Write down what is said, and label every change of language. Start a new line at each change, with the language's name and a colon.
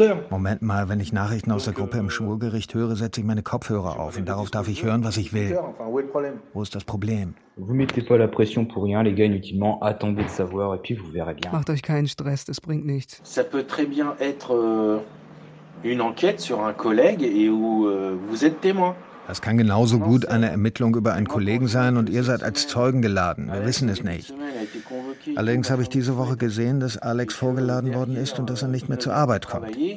German: Moment mal, wenn ich Nachrichten aus der Gruppe im Schwurgericht höre, setze ich meine Kopfhörer auf und darauf darf ich hören, was ich will. Wo ist das Problem? Macht euch keinen Stress, das bringt nichts.
French: Ça peut très bien être une enquête sur un collègue et où vous êtes témoin.
German: Das kann genauso gut eine Ermittlung über einen Kollegen sein und ihr seid als Zeugen geladen. Wir wissen es nicht. Allerdings habe ich diese Woche gesehen, dass Alex vorgeladen worden ist und dass er nicht mehr zur Arbeit kommt.